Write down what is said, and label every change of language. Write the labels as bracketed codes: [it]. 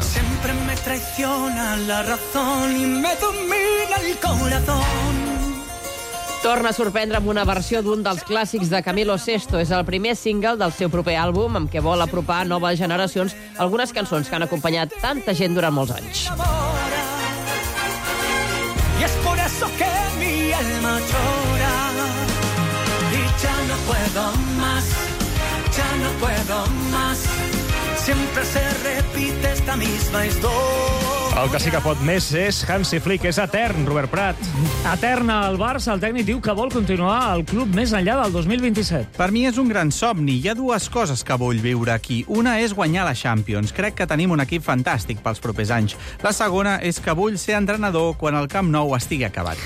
[es] Sempre me traiciona la razón y me domina el corazón. [ca] Torna a sorprendre amb una versió d'un dels clàssics de Camilo Sesto. És el primer single del seu proper àlbum, amb què vol apropar a noves generacions algunes cançons que han acompanyat tanta gent durant molts anys. [es] Y es por eso que mi alma llora. Y ya no puedo más, ya no puedo más. Siempre se repite esta misma historia. [ca] El que sí que pot més és Hansi Flick, és etern, Robert Prat. Etern al Barça, el tècnic diu que vol continuar al club més enllà del 2027. Per mi és un gran somni. Hi ha dues coses que vull viure aquí. Una és guanyar la Champions. Crec que tenim un equip fantàstic pels propers anys. La segona és que vull ser entrenador quan el Camp Nou estigui acabat.